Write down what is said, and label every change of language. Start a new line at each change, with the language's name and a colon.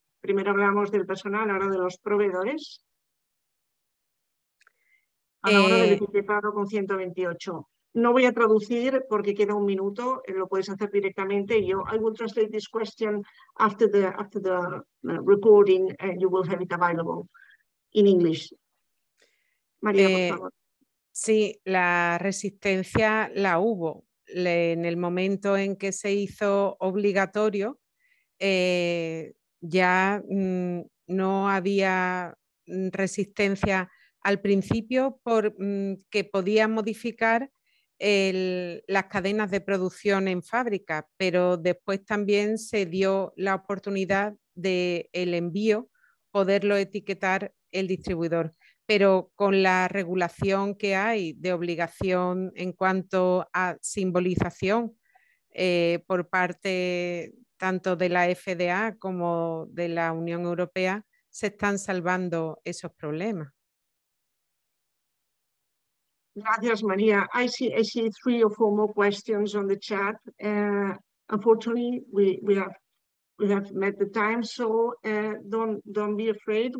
Spanish: Primero hablamos del personal, ahora de los proveedores. A la hora del etiquetado con 128. No voy a traducir porque queda un minuto, lo puedes hacer directamente.
English: I will translate this question after the recording and you will have it available in English.
Spanish: María, por favor. Sí, la resistencia la hubo. En el momento en que se hizo obligatorio, ya no había resistencia al principio porque podía modificar las cadenas de producción en fábrica, pero después también se dio la oportunidad del envío, poderlo etiquetar el distribuidor. Pero con la regulación que hay de obligación en cuanto a simbolización por parte tanto de la FDA como de la Unión Europea, se están salvando esos problemas. Gracias, María.
English: I see three or four more questions on the chat. Unfortunately, we have met the time, so don't be afraid.